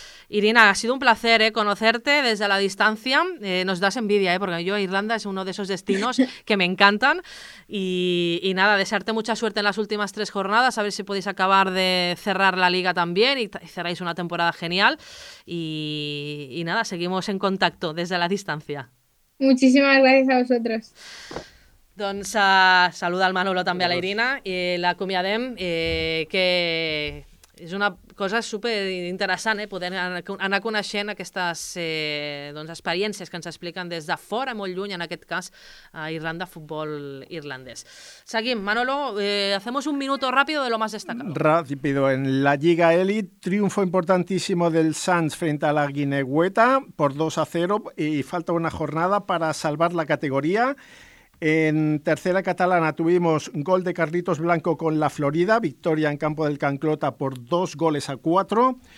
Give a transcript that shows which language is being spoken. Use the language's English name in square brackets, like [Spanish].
[Spanish] Irina, ha sido un placer conocerte desde la distancia. Nos das envidia, porque yo Irlanda es uno de esos destinos que me encantan. Y nada, desearte mucha suerte en las últimas tres jornadas, a ver si podéis acabar de cerrar la liga también y cerráis una temporada genial. Y nada, seguimos en contacto desde la distancia. Muchísimas gracias a vosotros. [Catalan] Doncs saluda al Manolo també a la Irina i la acomiadem, que és una cosa superinteressant, poder anar coneixent aquestes experiències que ens expliquen des de fora, molt lluny, en aquest cas, a Irlanda, futbol irlandès. Seguim. [Spanish] Manolo, hacemos un minuto rápido de lo más destacado. Rápido. En la Liga Elite, triunfo importantísimo del Sants frente a la Guinegueta por 2-0 y falta una jornada para salvar la categoría. En tercera catalana tuvimos gol de Carlitos Blanco con la Florida, victoria en campo del Canclota por 2-4.